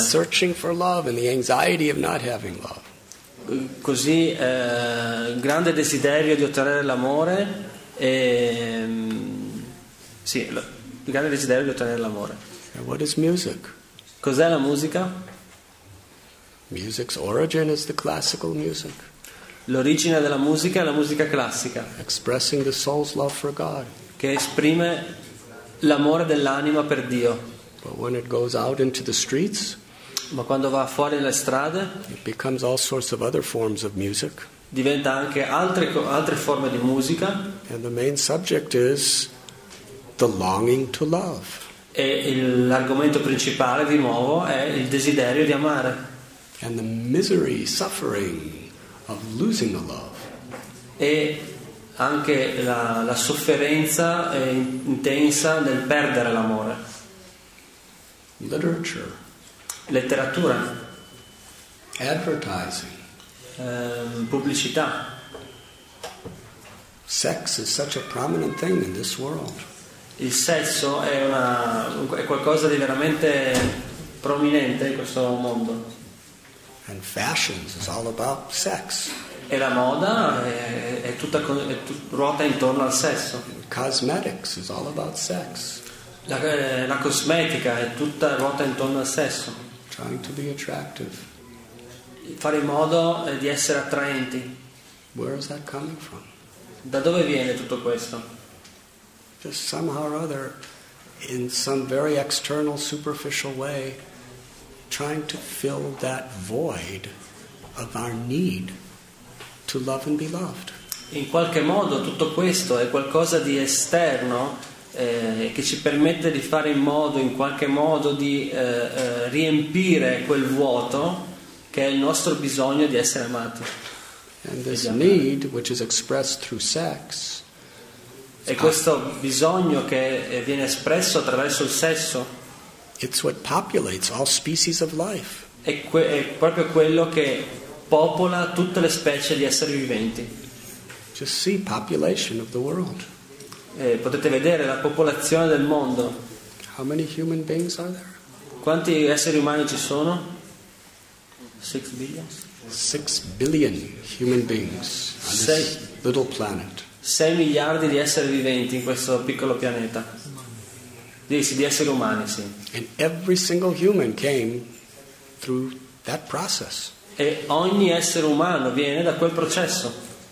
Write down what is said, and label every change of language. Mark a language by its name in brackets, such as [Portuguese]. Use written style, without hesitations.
[English] Searching for love and the anxiety of not having love. [Italian] Così grande desiderio di ottenere l'amore e sì, grande desiderio di ottenere l'amore. [English] And what is music? [Italian] Cos'è la musica? [English] Music's origin is the classical music. [Italian] L'origine della musica è la musica classica. [English] Expressing the soul's love for God. [Italian] Che esprime l'amore dell'anima per Dio. [English] But when it goes out into the streets, [Italian] ma quando va fuori nelle strade, [English] it becomes all sorts of other forms of music. [Italian] Diventa anche altre forme di musica. [English] And the main subject is the longing to love. [Italian] E l'argomento principale, di nuovo, è il desiderio di amare. [English] And the misery, suffering of losing the love. [Italian] E anche la sofferenza intensa nel perdere l'amore. [English] Literature. [Italian] Letteratura, [English] advertising, [Italian] pubblicità. [English] Sex is such a prominent thing in this world. [Italian] Il sesso è qualcosa di veramente prominente in questo mondo. [English] And fashions is all about sex. [Italian] E la moda è tutta ruota intorno al sesso. [English] Cosmetics is all about sex. [Italian] La cosmetica è tutta ruota intorno al sesso. [English] Trying to be attractive. [Italian] Fare in modo di essere attraenti. [English] Where is that coming from? [Italian] Da dove viene tutto questo? [English] Just somehow or other, in some very external, superficial way, trying to fill that void of our need to love and be loved. [Italian] In qualche modo tutto questo è qualcosa di esterno. Che ci permette di fare in modo, in qualche modo, di riempire quel vuoto che è il nostro bisogno di essere amati. [English] And this need, which is expressed through sex, [Italian] e questo bisogno che viene espresso attraverso il sesso, [English] it's what populates all species of life. [Italian] È proprio quello che popola tutte le specie di esseri viventi. [English] Just see population of the world. [Italian] Potete vedere la popolazione del mondo. [English] How many human beings are there? [Italian] Quanti esseri umani ci sono? [English] 6 billion. 6 billion human beings on this little planet. [Italian] 6 miliardi di esseri viventi in questo piccolo pianeta. Di esseri umani, sì. [English] And every single human came through that process. [Italian] E ogni essere umano viene da quel processo.